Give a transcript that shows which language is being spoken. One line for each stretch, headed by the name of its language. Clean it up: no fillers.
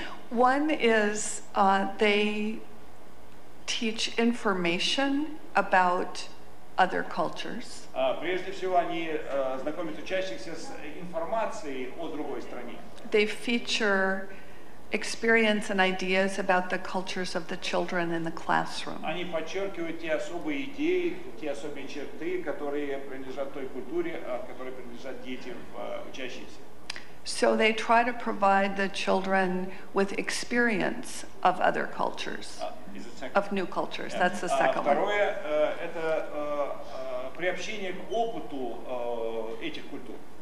English: One is they teach information about other cultures.
Russian: Прежде всего они знакомят учащихся с информацией о другой стране.
English: They feature experience and ideas about the cultures of the children in the classroom.
Russian: Они подчеркивают те особые идеи, те особые черты, которые принадлежат той культуре, которые принадлежат детям учащимся.
English: So they try to provide the children with experience of other cultures, of new cultures. Yeah. That's the second
Russian: второе,
English: one.
Russian: Это приобщение к опыту этих культур.